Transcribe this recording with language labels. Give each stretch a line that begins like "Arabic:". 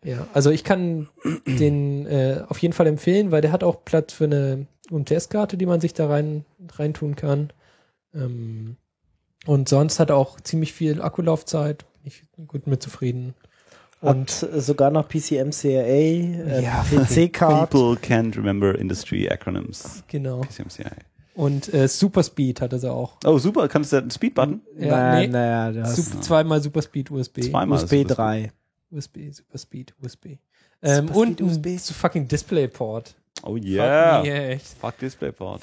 German: Ja, also ich kann den auf jeden Fall empfehlen, weil der hat auch Platz für eine UMTS-Karte, die man sich da reintun kann. Und sonst hat er auch ziemlich viel Akkulaufzeit. Ich bin gut mit zufrieden. Und hat sogar noch PCMCIA, PC-Card.
English: People can't remember industry acronyms.
German: Genau. PCMCIA. Und Super Speed hat er auch. Oh, super. Kannst du den Speed-Button? Ja, naja. Zweimal Super Speed USB. Zweimal USB 3. USB, Super Speed, USB. Und USB.
English: So fucking
German: DisplayPort.
English: Oh yeah. Fuck DisplayPort.